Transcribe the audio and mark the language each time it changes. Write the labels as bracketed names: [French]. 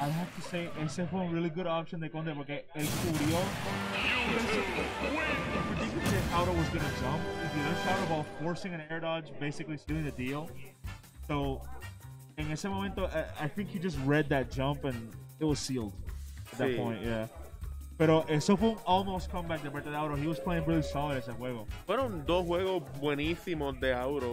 [English] I have to say, [Spanish] ese fue una [English] really good option [Spanish] de Conner porque él cubrió. [English] Auro was gonna jump. If you shot a ball, forcing an air dodge, basically stealing the deal. So, in [Spanish] ese momento, [English] I think he just read that jump and it was sealed at that point, yeah. [Spanish] Pero eso fue un [English] almost comeback [Spanish] de parte de Auro. [English] He was playing really solid [Spanish] ese juego. Fueron dos juegos buenísimos de Auro.